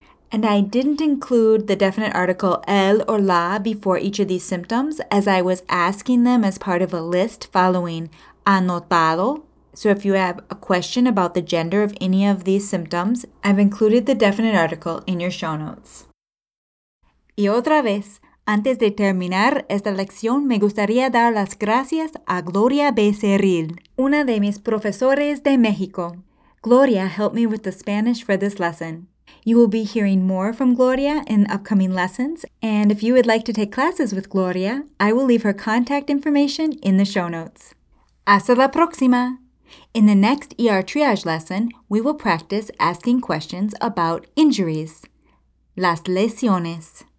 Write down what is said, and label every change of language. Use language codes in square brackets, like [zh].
[en] And I didn't include the definite article el or la before each of these symptoms, as I was asking them as part of a list following anotado. So if you have a question about the gender of any of these symptoms, I've included the definite article in your show notes. [es] Y otra vez, antes de terminar esta lección, me gustaría dar las gracias a Gloria Becerril, una de mis profesores de México. [en] Gloria helped me with the Spanish for this lesson. You will be hearing more from Gloria in upcoming lessons, and if you would like to take classes with Gloria, I will leave her contact information in the show notes. [es] ¡Hasta la próxima! [en] In the next ER triage lesson, we will practice asking questions about injuries. Las lesiones.